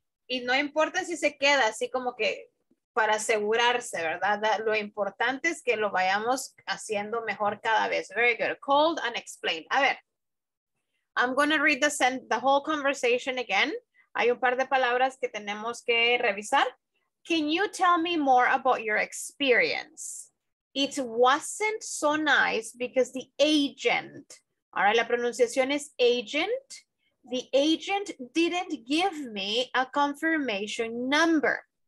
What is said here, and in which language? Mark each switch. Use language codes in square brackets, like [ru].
[es] Y no importa si se queda así como que para asegurarse, ¿verdad? Lo importante es que lo vayamos haciendo mejor cada vez. [en] Very good. Called and explained. [es] A ver, [en] I'm going to read the whole conversation again. [es] Hay un par de palabras que tenemos que revisar. [en] Can you tell me more about your experience? It wasn't so nice because the agent, [es] ahora la pronunciación es agent. [en] The agent didn't give me a confirmation number.